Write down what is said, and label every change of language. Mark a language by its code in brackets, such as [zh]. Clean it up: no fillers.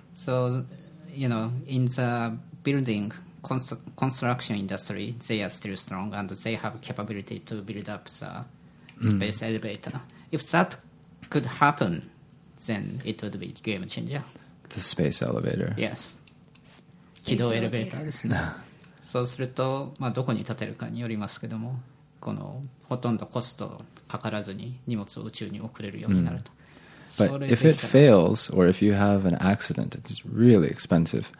[en] So, you know, in the building construction industry, they are still strong and they have capability to build up the space elevator. If that could happen, then it would be game changer. The space elevator. Yes. [ja] 軌道エレベーターですね。そうすると、まあ、どこに建てるかによりますけども、このほとんどコストかからずに荷物を宇宙に送れるようになると。 [en] But if it fails, or if you have an accident, it's really expensive.